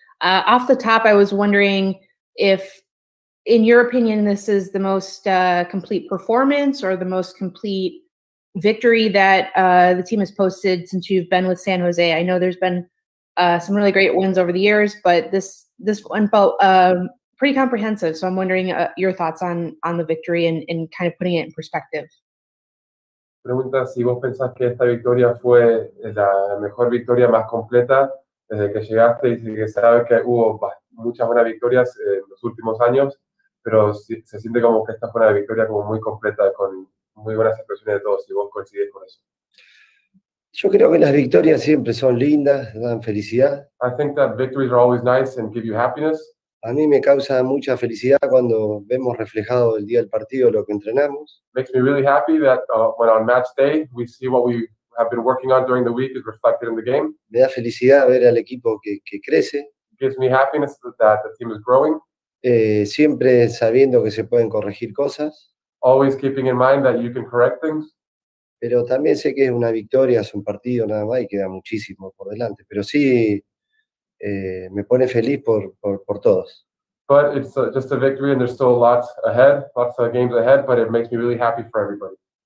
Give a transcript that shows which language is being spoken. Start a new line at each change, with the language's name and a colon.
English: Off the top, I was wondering if, in your opinion, this is the most complete performance or the most complete victory that the team has posted since you've been with San Jose. I know there's been some really great wins over the years, but this one felt pretty comprehensive. So I'm wondering your thoughts on the victory and kind of putting it in perspective.
Spanish: Pregunta si vos pensás que esta victoria fue la mejor victoria más completa. Desde que llegaste y que sabes que hubo muchas buenas victorias en los últimos años, pero se siente como que esta fue una victoria como muy completa, con muy buenas expresiones de todos, si vos coincidís con eso. Yo creo que las victorias siempre son lindas, dan felicidad.
English: I think that victories are always nice and give you happiness.
Spanish: A mí me causa mucha felicidad cuando vemos reflejado el día del partido lo que entrenamos.
English: Makes me really happy that when on match day we see what we have been working on during the week is reflected in the game.
Spanish: Me da felicidad ver al equipo que crece.
English: It gives me happiness that the team is growing.
Spanish: Siempre sabiendo que se pueden corregir cosas.
English: Always keeping in mind that you can correct things.
Spanish: Pero también sé que es una victoria, es un partido nada más y queda muchísimo por delante. Pero sí, me pone feliz por todos.
English: But it's just a victory and there's still lots ahead, lots of games ahead, but it makes me really happy for everybody.